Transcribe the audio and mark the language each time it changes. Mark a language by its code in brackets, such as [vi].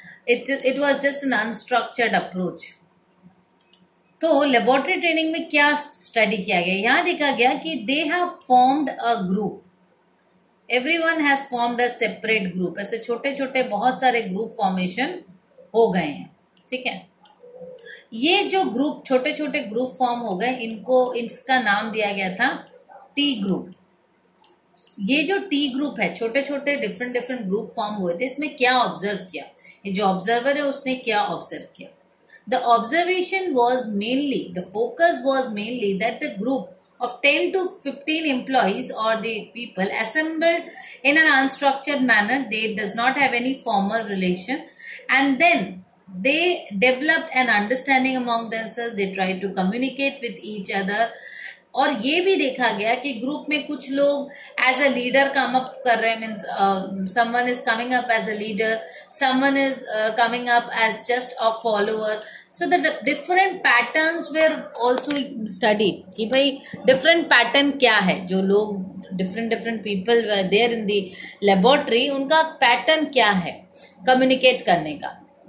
[en] It was just an unstructured approach. [hi] तो laboratory training में क्या स्टडी किया गया, यहाँ देखा गया कि [en] they have formed a group, everyone has formed a separate group, [hi] ऐसे छोटे छोटे बहुत सारे ग्रुप फॉर्मेशन हो गए हैं, ठीक है? ये जो ग्रुप छोटे छोटे ग्रुप फॉर्म हो गए, इनको इसका नाम दिया गया था टी ग्रुप। ये जो टी ग्रुप है, छोटे छोटे डिफरेंट डिफरेंट ग्रुप फॉर्म हुए थे, इसमें क्या ऑब्जर्व किया, ये जो ऑब्जर्वर है उसने क्या ऑब्जर्व किया? [en] The observation was mainly, the focus was mainly that the group of 10 to 15 employees or the people assembled in an unstructured manner, they does not have any formal relation, and then they developed an understanding among themselves, they tried to communicate with each other. [hi] और ये भी देखा गया कि group में कुछ लोग as a leader come up कर रहे हैं, [en] Mean someone is coming up as a leader, someone is coming up as just a follower. So the different patterns were also studied [hi] कि भाई डिफरेंट पैटर्न क्या है, जो लोग [en] different different people there in the laboratory [hi] उनका pattern क्या है communicate करने का।